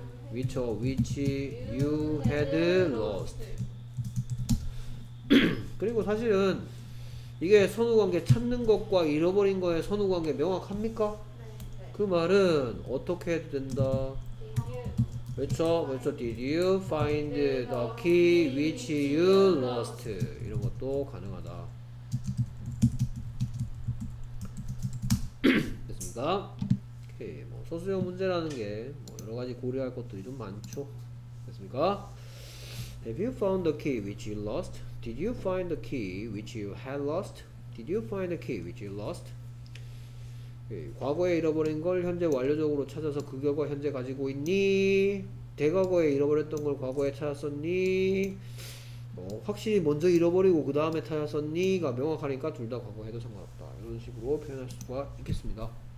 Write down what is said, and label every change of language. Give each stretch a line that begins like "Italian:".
English: Which, which you had lost.
Korean: 그리고 사실은 이게 선후관계 찾는 것과 잃어버린 거의 선후관계 명확합니까? 네, 네. 그 말은 어떻게 해도 된다.
English: Did you
Korean: 그렇죠? 그렇죠?
English: Did you find the key which you lost?
Korean: 이런 것도 가능하다. 됐습니까? 오케이. 뭐 소수형 문제라는 게 뭐 여러 가지 고려할 것들이 좀 많죠. 됐습니까?
English: Have you found the key which you lost? Did you find the key which you had lost? Did you find the key which you lost?
Korean: 예, 과거에 잃어버린 걸 현재 완료적으로 찾아서 그 결과 현재 가지고 있니? 대과거에 잃어버렸던 걸 과거에 찾았었니? 뭐, 확실히 먼저 잃어버리고 그 다음에 찾았었니? 가 명확하니까 둘 다 과거 해도 상관없다. 이런 식으로 표현할 수가 있겠습니다.